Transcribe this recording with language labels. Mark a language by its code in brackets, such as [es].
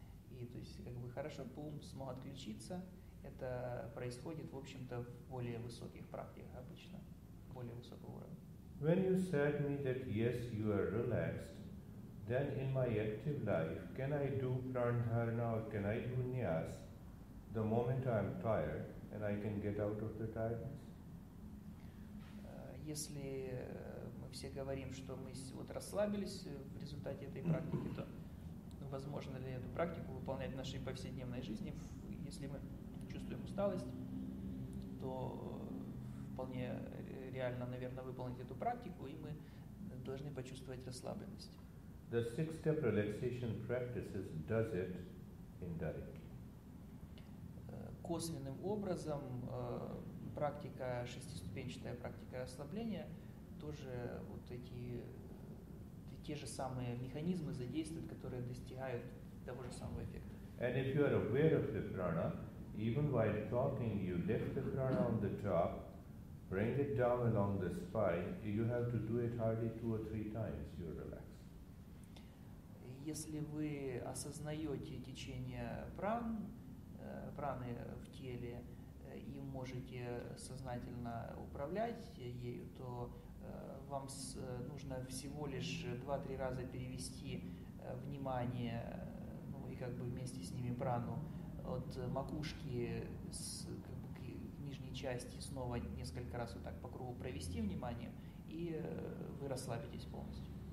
[ru] И то есть как бы хорошо, ум смог отключиться. Это происходит, в общем-то, в более высоких практиках обычно, более высокого уровня. [en] When you said me that yes, you are relaxed, then in my active life, can I do pranayama or can I do nyas the moment I am tired and I can get out of the tiredness? [ru] Если мы все говорим, что мы вот расслабились в результате этой практики, то возможно ли эту практику выполнять в нашей повседневной жизни? Если мы чувствуем усталость, то вполне реально, наверное, выполнить эту практику, и мы должны почувствовать расслабленность. [en] The six-step relaxation practices does it indirectly. [ru] Косвенным образом практика шестиступенчатая практика расслабления тоже вот эти те же самые механизмы задействуют, которые достигают того же самого эффекта. [en] And if you are aware of the prana, even while talking, you lift the prana on the top, bring it down along the spine. You have to do it hardly two or three times. You're relaxed. [ru] Если вы осознаете течение пран, праны в теле и можете сознательно управлять ею, то вам нужно всего лишь 2-3 раза перевести внимание, ну и как бы вместе с ними прану, от макушки с, как бы, к нижней части снова несколько раз вот так по кругу провести внимание, и вы расслабитесь полностью.